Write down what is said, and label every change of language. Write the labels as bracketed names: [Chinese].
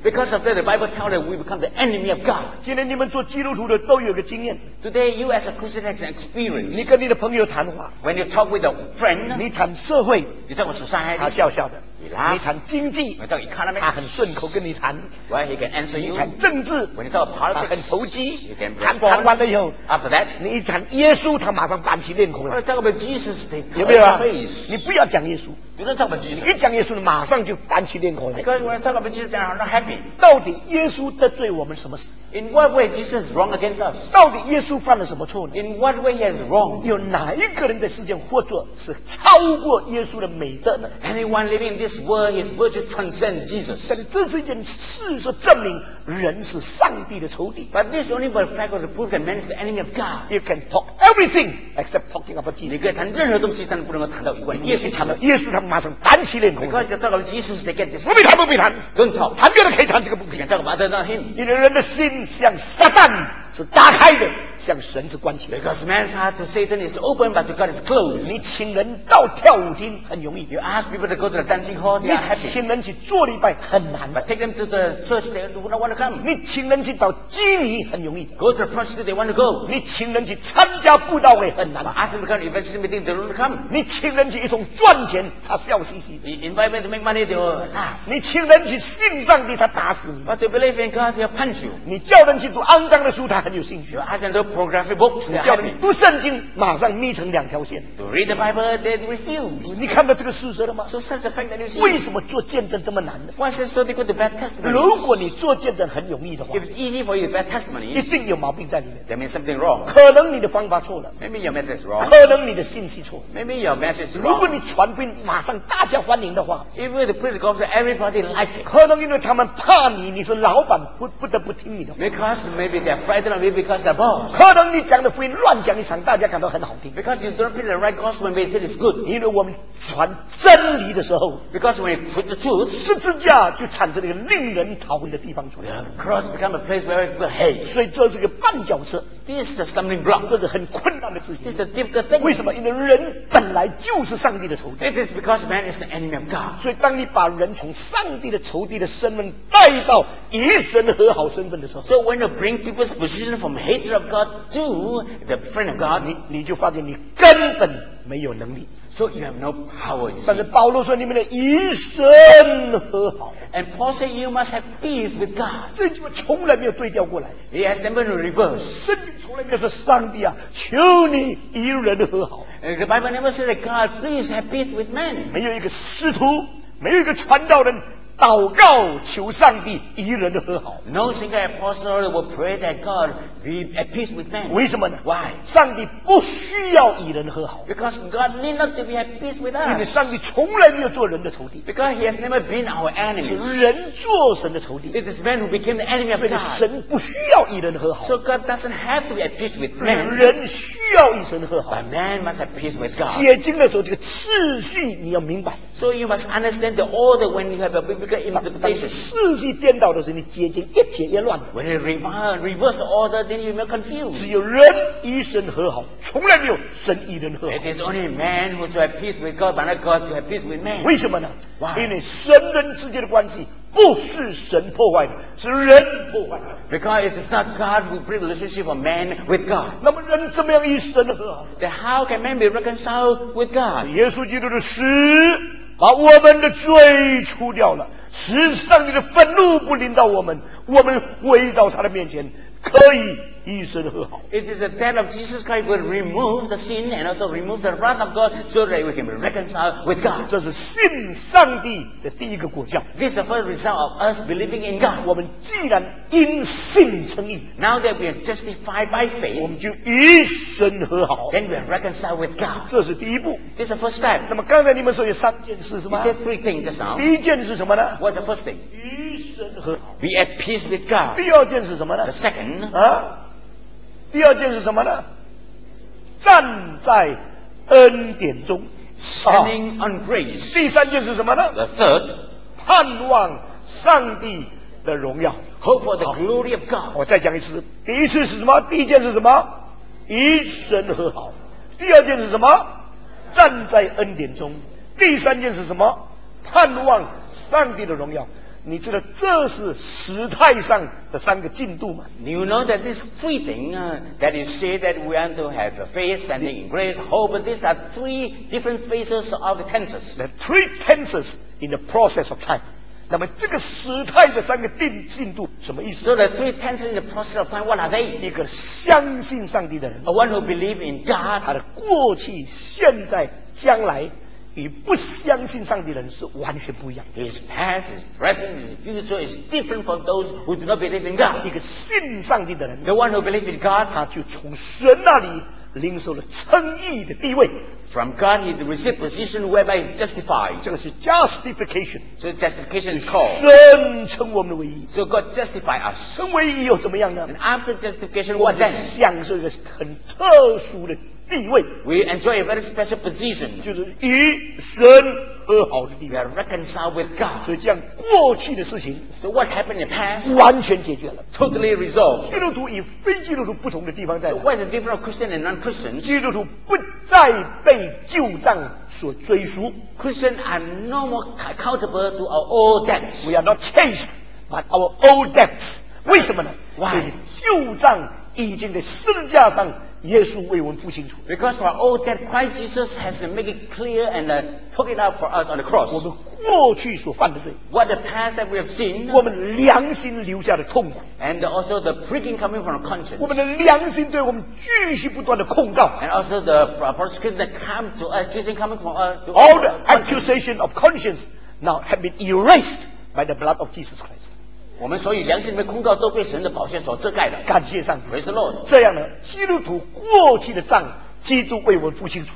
[English] Because of that, the Bible tells us we become the enemy of God. [Chinese] 今天你们做基督徒的都有个经验。 [English] Today, you as a Christian has an experience. [Chinese] 你跟你的朋友谈话。 [English] When you talk with a friend, [Chinese] 你谈社会。 [English] You talk with society. [Chinese] 他笑笑的。 [English] He laughs. [Chinese] 你谈经济。 [English] When you talk economy. [Chinese] 他很顺口跟你谈。 [English] Well, he can answer you. [Chinese] 你谈政治。 [English] When you talk politics. [Chinese] 他很投机。 [English] You can respond. [Chinese] 谈完了以后。 [English] After that. [Chinese] 你一谈耶稣，他马上板起脸孔来。 [English] Talk about Jesus, they turn their face. [Chinese] 有没有啊？你不要讲耶稣。 [English] You don't talk about Jesus. [Chinese] 你一讲耶稣，马上就板起脸孔来。 [English] Because when you talk about Jesus, they are not happy. [Chinese] 到底耶稣得罪我们什么事？ [English] In what way Jesus is wrong against us? [Chinese] 到底耶稣犯了什么错呢？ [English] In what way he is wrong? [Chinese] 有哪一个人在世间活着是超过耶稣的美德呢？ [English] Anyone living in this world, his virtue transcends Jesus. [Chinese] 但这是一件事实证明人是上帝的仇敌。 [English] But this only by fact was proof that man is the enemy of God. You can talk everything except talking about Jesus. [Chinese] 你可以谈任何东西，但不能够谈到有关耶稣。谈到耶稣，他马上板起脸孔。 [English] Because you talk about Jesus, they get this. [Chinese] 不必谈，不必谈。 [English] Don't talk. [Chinese] 谈别的可以谈，这个不可以。 [English] Talk about other than him. [Chinese] 你的人的心像撒旦是打开的，向神是关起的。 [English] Because man's heart to Satan is open, but to God is closed. [Chinese] 你请人到跳舞厅很容易。 [English] You ask people to go to the dancing hall, they are happy. [Chinese] 你请人去做礼拜很难。 [English] But take them to the church, they do not want to come. [Chinese] 你请人去找妓女很容易。 [English] Go to the prostitute, they want to go. [Chinese] 你请人去参加布道会很难。 [English] But ask them to come to the evangelism meeting, they don't come. [Chinese] 你请人去一同赚钱，他笑嘻嘻。 [English] You invite them to make money, they will laugh. [Chinese] 你请人去信上帝，他打死你。 [English] But they believe in God, they will punch you. [Chinese] 你叫人去读肮脏的书，他很有兴趣。 [English] You ask them to pornographic books, [Chinese] 你叫人读圣经，马上眯成两条线。 [English] To read the Bible, they refuse. [Chinese] 你看到这个事实了吗 [English] ？So such a fact that you see. [Chinese] 为什么做见证这么难呢 [English] ？Why is it so difficult to bear testimony? [Chinese] 如果你做见证很容易的话 [English] ，If it's easy for you to bear testimony, [Chinese] 一定有毛病在里面。 [English] There may be something wrong. [Chinese] 可能你的方法错了。 [English] Maybe your method is wrong. [Chinese] 可能你的信息错。 [English] Maybe your message is wrong. [Chinese] 如果你传福音马上大家欢迎的话 [English] ，If the preacher goes, everybody like it. [Chinese] 可能因为他们怕你，你是老板，不得不听你的话。 [English] Because maybe they're frightened of you because they're boss. [Chinese] 可能你讲的福音乱讲一场，大家感到很好听。 [English] Because you don't preach the right gospel, maybe it is good. [Chinese] 因为我们传真理的时候 [English] ，Because when you preach the truth, [Chinese] 十字架就产生了一个令人逃魂的地方出来。 [English] The cross become a place where people hate. [Chinese] 所以这是个绊脚石。 [English] This is a stumbling block. [Chinese] 这是很困难的事情。 [English] This is a difficult thing. [Chinese] 为什么？因为人本来就是上帝的仇敌。 [English] It is because man is the enemy of God. [Chinese] 所以当你把人从上帝的仇敌的身份带到与神和好身份的时候 [English] ，So when you bring people's position from hatred of God to the friend of God, [Chinese] 你就发现你根本没有能力。 [English] So you have no power. [Chinese] 但是保罗说你们的与神和好。 [English] And Paul said you must have peace with God. [Chinese] 这句话从来没有对调过来。 [English] He has never reversed. [Chinese] 圣经从来没有说上帝啊，求你与人和好。 [English] And the Bible never said that God please have peace with man. [Chinese] 没有一个师徒，没有一个传道人。祷告求上帝与人的和好。 [English] No single apostle will pray that God be at peace with man. [Chinese] 为什么呢 [English] ？Why？ [Chinese] 上帝不需要与人和好。 [English] Because God need not to be at peace with us. [Chinese] 因为上帝从来没有做人的仇敌。 [English] Because He has never been our enemy. [Chinese] 是人做神的仇敌。 [English] It is man who became the enemy of God. [Chinese] 所以神不需要与人和好。 [English] So God doesn't have to be at peace with man. [Chinese] 人需要与神和好。 [English] But man must have peace with God. [Chinese] 解经的时候，这个次序你要明白。 [English] So you must understand the order when you have a biblical interpretation. [Chinese] 次序颠倒的时候，你解经越解越乱。 [English] When you reverse the order, then you may confuse. [Chinese] 只有人与神和好，从来没有神与人和好。 [English] It is only man who is at peace with God, but not God who is at peace with man. [Chinese] 为什么呢 [English] ？Why? [Chinese] 因为神人之间的关系不是神破坏的，是人破坏的。 [English] Because it is not God who break the relationship of man with God. [Chinese] 那么人怎么样与神和好 [English] ？Then how can man be reconciled with God? [Chinese] 是耶稣基督的死。把我们的罪除掉了，使上帝的愤怒不临到我们，我们回到他的面前，可以与神和好。 [English] It is the death of Jesus Christ will remove the sin and also remove the wrath of God, so that we can be reconciled with God. [Chinese] 这是信上帝的第一个果效。 [English] This is the first result of us believing in God. [Chinese] 我们既然因信称义 [English] ，Now that we are justified by faith， [Chinese] 我们就与神和好。 [English] Then we are reconciled with God. [Chinese] 这是第一步。 [English] This is the first step. [Chinese] 那么刚才你们说有三件事是吗 [English] ？You said three things just now. [Chinese] 第一件是什么呢 [English] ？What's the first thing？ [Chinese] 与神和好。 [English] Be at peace with God. [Chinese] 第二件是什么呢 [English] ？The second. [Chinese] 啊。第二件是什么呢？站在恩典中 [English] ，standing on grace。 [Chinese] 第三件是什么呢 [English] ？The third， [Chinese] 盼望上帝的荣耀 [English] ，hope for the glory of God。 [Chinese] 我再讲一次，第一次是什么？第一件是什么？与神和好。第二件是什么？站在恩典中。第三件是什么？盼望上帝的荣耀。你知道这是时态上的三个进度吗 [English] ？You know that these three things that you say that we want to have a faith, standing in grace, hope. These are three different phases of tenses. The three tenses in the process of time. [Chinese] 那么这个时态的三个进度什么意思 [English] ？So the three tenses in the process of time, what are they? [Chinese] 一个相信上帝的人 [English] ，a one who believe in God， [Chinese] 他的过去、现在、将来。与不相信上帝的人是完全不一样的。 [English] His past, his present, his future is different from those who do not believe in God. [Chinese] 一个信上帝的人 [English] ，The one who believes in God， [Chinese] 他就从神那里领受了称义的地位。 [English] From God, he received position whereby he's justified. [Chinese] 这个是 justification. [English] So justification is called. [Chinese] 神称我们为义。 [English] So God justified us. [Chinese] 称为义又怎么样呢 [English] ？And after justification, what then? [Chinese] 我们享受一个很特殊的。 [English] We enjoy a very special position. [Chinese] 就是与神和好的地位 [English] We are reconciled with God. [Chinese] 所以这样过去的事情 [English] So what's happened in the past? [Chinese] 完全解决了 [English] Totally resolved. [Chinese] 基督徒与非基督徒不同的地方在 [English] So what's the difference of Christian and non-Christian? [Chinese] 基督徒不再被旧账所追赎 [English] Christian are no more accountable to our old debts. We are not chased by our old debts. [Chinese] 为什么呢 [English] Why? [Chinese] 因为旧账已经在十字架上耶稣为我们付清楚 [English] Because for all that Christ Jesus has made it clear and took it out for us on the cross [Chinese] 我们过去所犯的罪 [English] What the past that we have seen [Chinese] 我们良心留下的痛苦 [English] And also the pricking coming from our conscience [Chinese] 我们的良心对我们继续不断的控告 [English] And also the prosecution that come to us accusing coming from us All the accusation of conscience now have been erased by the blood of Jesus Christ [Chinese] 我们所以良心里面控告都被神的宝血所遮盖了感谢上帝 [English] Praise the Lord [Chinese] 这样呢基督徒过去的账基督为我们付清楚